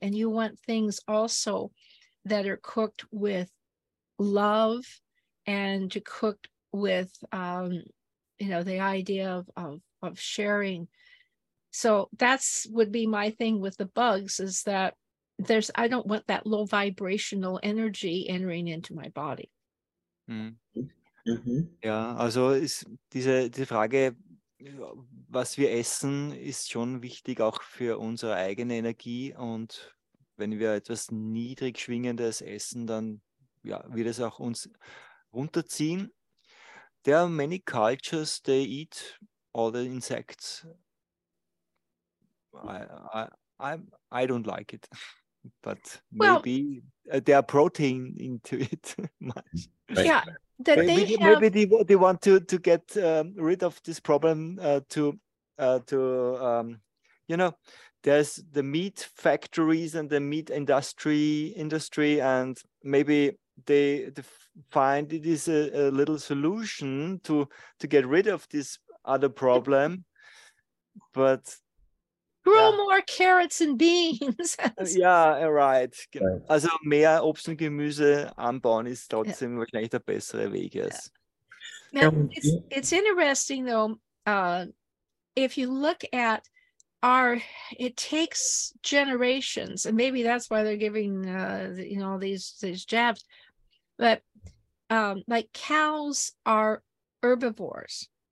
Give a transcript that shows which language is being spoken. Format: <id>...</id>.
<en>And you want things also that are cooked with love and cooked with, you know, the idea of sharing. So that's would be my thing with the bugs, is that I don't want that low vibrational energy entering into my body.</en> <de>Ja, also ist diese Frage, was wir essen, ist schon wichtig auch für unsere eigene Energie. Und wenn wir etwas niedrig schwingendes essen, dann ja, wird es auch uns runterziehen.</de> <en>There are many cultures, they eat all the insects. I don't like it, but maybe there are protein into it much. Yeah, that maybe they want to get rid of this problem you know, there's the meat factories and the meat industry, and maybe they find it is a little solution to get rid of this other problem, but. Grow more carrots and beans. Yeah, right.</en> <de>Also mehr Obst und Gemüse anbauen ist trotzdem wahrscheinlich der bessere Weg.</de> <en>Yes. Now, it's interesting though, if you look at it takes generations, and maybe that's why they're giving you know, these jabs, but like cows are herbivores.</en>